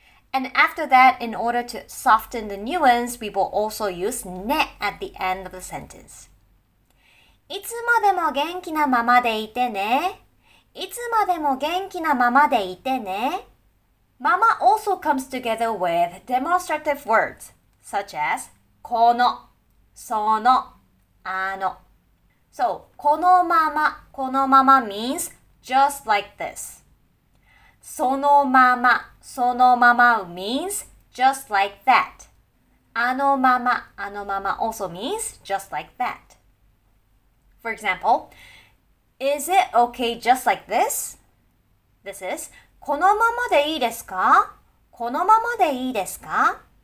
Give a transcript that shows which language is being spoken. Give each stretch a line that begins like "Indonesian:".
English: And after that, in order to soften the nuance, we will also use ne at the end of the sentence.
Japanese: いつまでも元気なままでいてね。いつまでも元気なままでいてね。
English: Mama also comes together with demonstrative words, such as この、その、あの。 So, このまま、このまま means just like this. そのまま、そのまま means just like that. あのまま、あのまま also means just like that. For example, is it okay just like this? This is,
Japanese: このままでいいですか?このままでいいですか?